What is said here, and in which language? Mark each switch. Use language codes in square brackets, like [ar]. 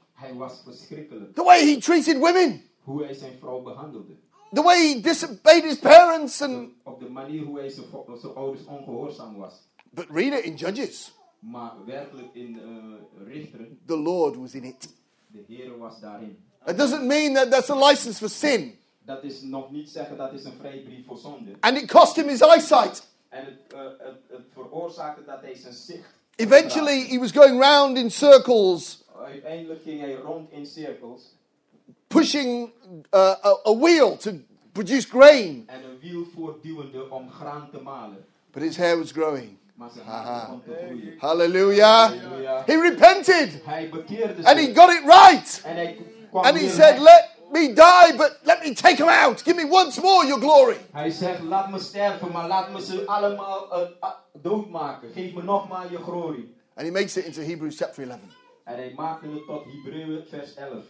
[nl] Hij was verschrikkelijk. [en] The way he treated women. [nl] Hoe hij zijn vrouw behandelde. [en] The way he disobeyed his parents. And [nl] op de manier hoe hij zijn ouders ongehoorzaam was. [en] But read it in Judges. [nl] Maar werkelijk in Richteren. [en] The Lord was in it. [nl] De Heer was daarin. [en] It doesn't mean that that's a license for sin. [nl] Dat is nog niet zeggen dat is een vrijbrief voor zonde. [en] And it cost him his eyesight. [nl] En het veroorzaakte dat hij zijn zicht. [en] Eventually he was going round in circles. [nl] Uiteindelijk ging hij rond in cirkels. [en] Pushing a wheel to produce grain. [nl] En een wiel voortduwende om graan te malen. [en] But his hair was growing. Uh-huh. Hallelujah. He repented. [nl] Hij bekeerde zich. [en] And he got it right. [nl] En hij kwam [en] and he said, let me die, but let me take them out. Give me once more your glory. [nl] Hij zegt, laat me sterven, maar laat me ze allemaal doodmaken. Geef me nogmaals je glorie. [en] And he makes it into Hebrews chapter 11. [nl] En hij maakt het tot Hebreeën vers 11.